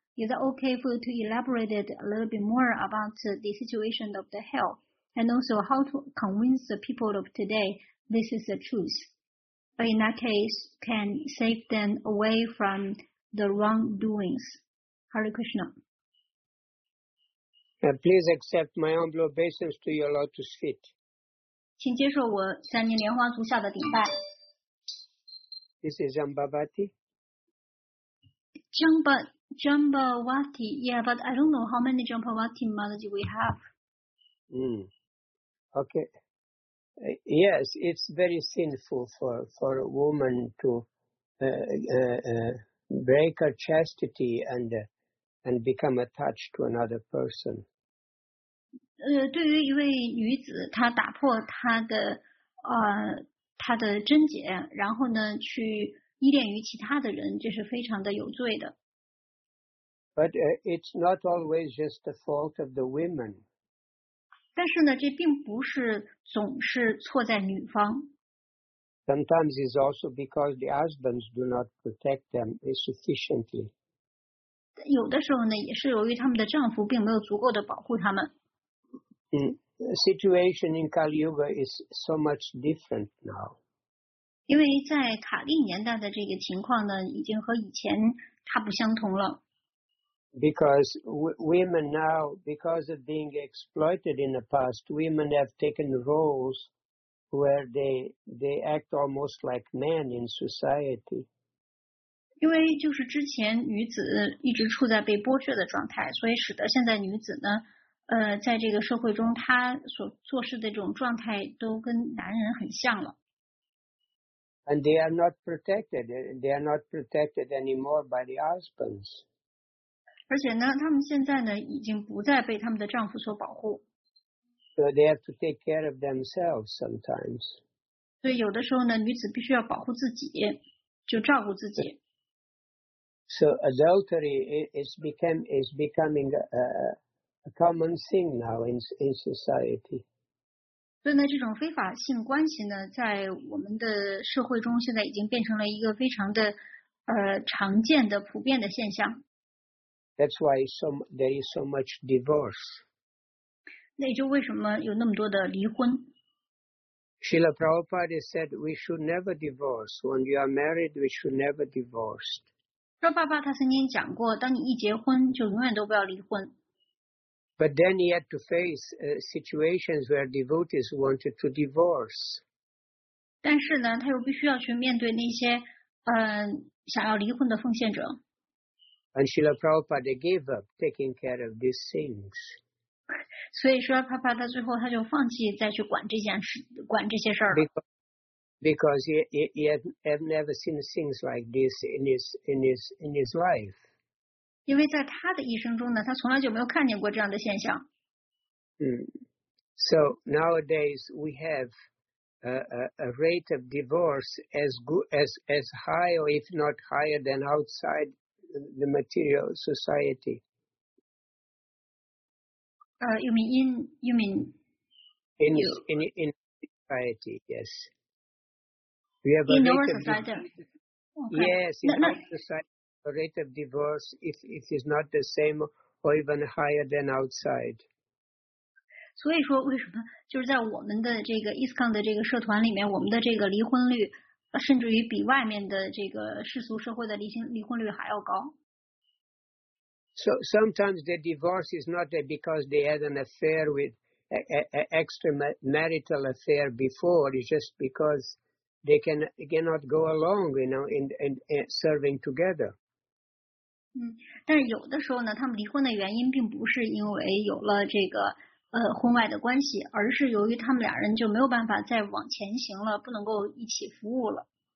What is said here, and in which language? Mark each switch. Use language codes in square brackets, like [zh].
[en] Is it okay for you to elaborate it a little bit more about the situation of the hell, and also how to convince the people of today this is the truth? But in that case, can save them away from the wrongdoings. Hare Krishna. Please accept my humble obeisance to your lotus feet. [zh] 请接受我向您莲花足下的顶拜。 [en] This is Jambavati. Jambavati, yeah, but I don't know how many Jambavati Mataji we have. Okay. Yes, it's very sinful for a woman to break her chastity and become attached to another person. [zh] 对于一位女子，她打破她的贞洁，然后呢去依恋于其他的人，这是非常的有罪的。 [en] But it's not always just the fault of the women. [zh] 但是呢，这并不是总是错在女方。 [en] Sometimes it's also because the husbands do not protect them sufficiently. [zh] 有的时候呢，也是由于他们的丈夫并没有足够的保护他们。 [en] The situation in Kali Yuga is so much different now. [zh] 因为在卡利年代的这个情况呢，已经和以前大不相同了。 [en] Because women now, because of being exploited in the past, women have taken roles where they act almost like men in society. [zh] 因为就是之前女子一直处在被剥削的状态，所以使得现在女子呢在这个社会中他所做事的这种状态都跟男人很像了。 [en] And they are not protected. They are not protected anymore by the husbands. [zh] 而且呢他们现在呢已经不再被他们的丈夫所保护。 [en] So they have to take care of themselves sometimes. [zh] 所以有的时候呢女子必须要保护自己，就照顾自己。 [en] So adultery is becoming a common thing now in society. [zh] 所以呢，这种非法性关系呢，在我们的社会中现在已经变成了一个非常的常见的、普遍的现象。 [en] That's why there is so much divorce. [zh] 那也就为什么有那么多的离婚。 [en] Srila Prabhupada said, we should never divorce. When you are married, we should never divorce. [zh] Prabhupada 曾经讲过，当你一结婚，就永远都不要离婚。 [en] But then he had to face situations where devotees wanted to divorce. [zh] 但是呢，他又必须要去面对那些想要离婚的奉献者。 [en] And Srila Prabhupada gave up taking care of these things. [zh] 所以说，帕帕他最后他就放弃再去管这件事，管这些事儿了。 [en] Because he had never seen things like this in his life. [zh] 因为在他的一生中呢，他从来就没有看见过这样的现象。 [en] So nowadays we have a rate of divorce as high or if not higher than outside the material society. You mean? In society, yes. We have a rate of divorce. Okay. Yes, the rate of divorce if it is not the same or even higher than outside. [zh] 所以说，为什么就是在我们的这个 ISKCON 的这个社团里面，我们的这个离婚率，甚至于比外面的这个世俗社会的离婚率还要高。 [en] So sometimes the divorce is not because they had an affair with an extramarital affair before. It's just because. They cannot go along, you know, in serving together. [zh] 但有的时候呢，他们离婚的原因并不是因为有了这个婚外的关系，而是由于他们俩人就没有办法再往前行了，不能够一起服务了。